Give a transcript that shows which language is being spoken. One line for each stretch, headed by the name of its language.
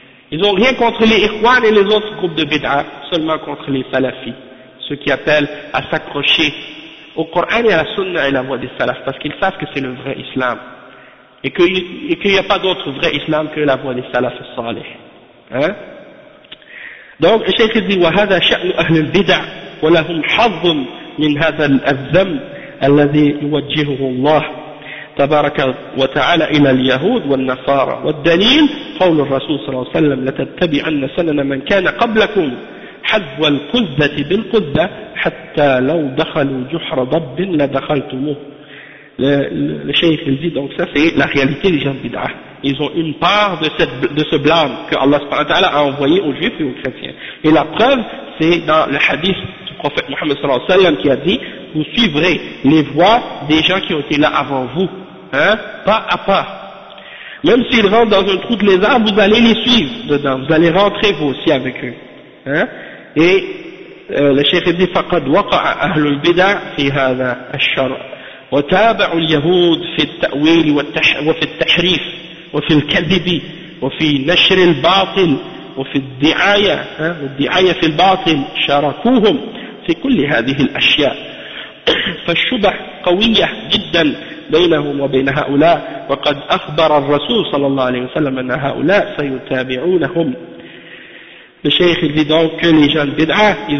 French: Ils ont rien contre les ikhwan et les autres groupes de bid'ah, seulement contre les salafis, ceux qui appellent à s'accrocher au Coran et à la sunna et à la voie des salafs, parce qu'ils savent que c'est le vrai islam. Et qu'il n'y a pas d'autre vrai islam que la voie des salafs salih. Hein? Donc
Arabic: الشيخ
French: dit
Arabic: وهذا شأن أهل البدع ولهم حظ من هذا الذم الذي يوجهه الله تبارك وتعالى إلى اليهود والنصارى والدليل قول الرسول صلى الله عليه وسلم لتتبعن سنن من كان قبلكم حذو القذة بالقذة حتى لو دخلوا جحر ضب لدخلتموه.
French: الشيخ dit donc ça c'est la réalité des gens bid'ah. Ils ont une part de ce blâme que Allah subhanahu wa ta'ala a envoyé aux juifs et aux chrétiens. Et la preuve, c'est dans le hadith du prophète Muhammad sallallahu alayhi wa sallam qui a dit, vous suivrez les voies des gens qui ont été là avant vous, hein, pas à pas. Même s'ils rentrent dans un trou de lézard, vous allez les suivre dedans, vous allez rentrer vous aussi avec eux, hein. Et le cheikh a dit,
Arabic: فَقَدْ وَقَعَ أَهْلُ الْبِدَعِ فِي هَذَا الشَّرْءِ وَتَابَعُ الْيَهُودِ فِي التَّأْوِيلِ وَفِي التَّحْرِيفِ وفي الكذب وفي نشر الباطل وفي الدعاية الدعاية في الباطل شاركوهم في كل هذه الأشياء فالشبه قوية جدا بينهم وبين هؤلاء وقد أخبر الرسول صلى الله عليه وسلم أن هؤلاء سيتابعونهم الشيخ
French: dit donc que les gens bid'a